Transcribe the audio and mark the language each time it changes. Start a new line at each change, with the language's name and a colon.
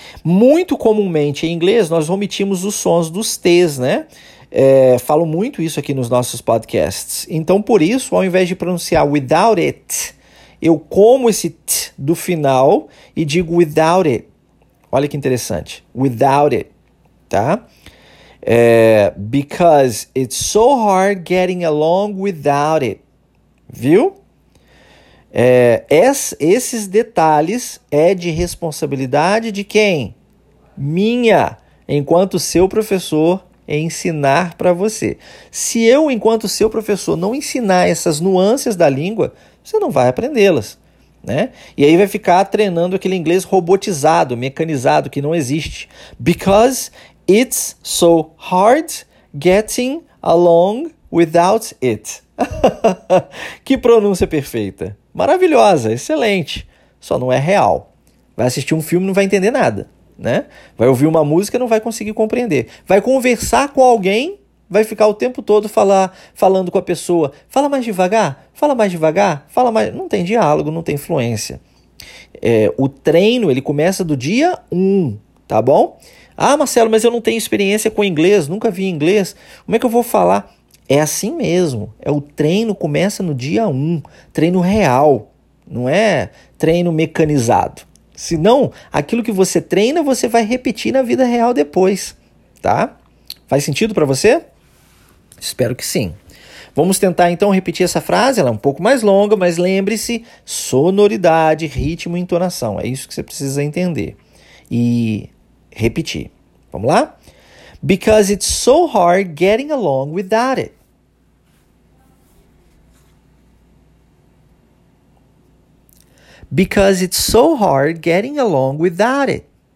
Portuguese: Muito comumente em inglês nós omitimos os sons dos T's, né? Falo muito isso aqui nos nossos podcasts. Então, por isso, ao invés de pronunciar
English: without it,
Portuguese: eu como esse T do final e digo without it. Olha que interessante.
English: Without it,
Portuguese: tá?
English: Because it's so hard getting along without it, viu?
Portuguese: Esses detalhes é de responsabilidade de quem? Minha, enquanto seu professor, ensinar para você. Se eu, enquanto seu professor, não ensinar essas nuances da língua, você não vai aprendê-las, né? E aí vai ficar treinando aquele inglês robotizado, mecanizado, que não existe.
English: Because it's so hard getting along without it.
Portuguese: Que pronúncia perfeita. Maravilhosa, excelente. Só não é real. Vai assistir um filme e não vai entender nada, né? Vai ouvir uma música e não vai conseguir compreender. Vai conversar com alguém, vai ficar o tempo todo falando com a pessoa. Fala mais devagar, fala mais devagar, fala mais. Não tem diálogo, não tem fluência. O treino, ele começa do dia 1, tá bom? Ah, Marcelo, mas eu não tenho experiência com inglês, nunca vi inglês. Como é que eu vou falar? É assim mesmo, o treino começa no dia 1, treino real, não é treino mecanizado. Senão, aquilo que você treina, você vai repetir na vida real depois, tá? Faz sentido para você? Espero que sim. Vamos tentar então repetir essa frase, ela é um pouco mais longa, mas lembre-se, sonoridade, ritmo e entonação, é isso que você precisa entender. E repetir, vamos lá?
English: Because it's so hard getting along without it. Because it's so hard getting along without it.